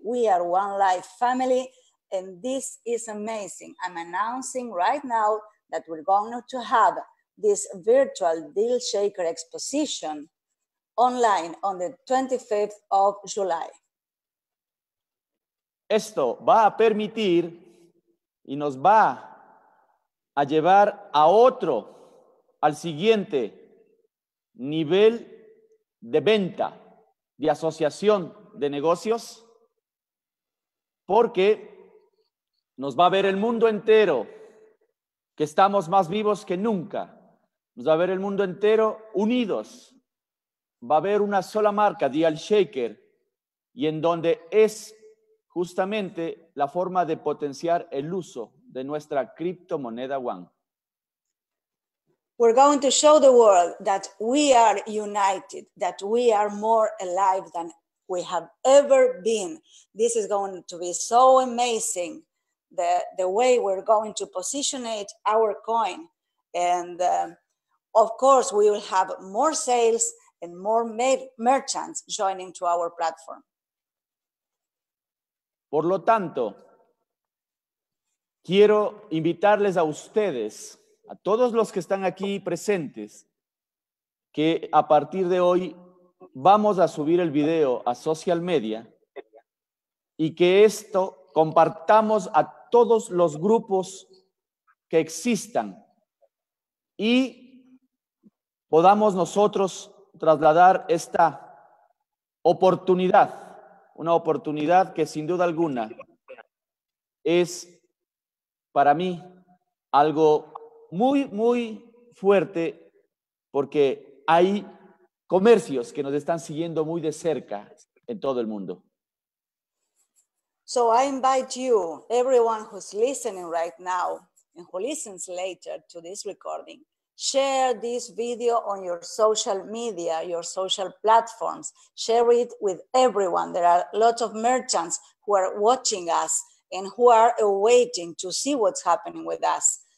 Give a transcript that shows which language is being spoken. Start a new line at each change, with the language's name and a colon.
English: We are Onelife family, and this is amazing. I'm announcing right now that we're going to have this virtual Dial Shaker exposition online on the 25th of July.
Spanish: Esto va a permitir y nos va a llevar a otro, al siguiente nivel de venta, de asociación de negocios, porque nos va a ver el mundo entero que estamos más vivos que nunca. Nos va a ver el mundo entero unidos. Va a haber una sola marca, Dial Shaker, y en donde es justamente la forma de potenciar el uso de nuestra criptomoneda One.
English: We're going to show the world that we are united, that we are more alive than we have ever been. This is going to be so amazing, the way we're going to position our coin. And of course, we will have more sales and more merchants joining to our platform.
Spanish: Por lo tanto, quiero invitarles a ustedes, a todos los que están aquí presentes, que a partir de hoy vamos a subir el video a social media y que esto compartamos a todos los grupos que existan y podamos nosotros trasladar esta oportunidad, una oportunidad que sin duda alguna es para mí algo muy, muy fuerte, porque hay comercios que nos están siguiendo muy de cerca en todo el mundo.
English: So I invite you, everyone who's listening right now and who listens later to this recording, share this video on your social media, your social platforms. Share it with everyone. There are lots of merchants who are watching us and who are awaiting to see what's happening with us.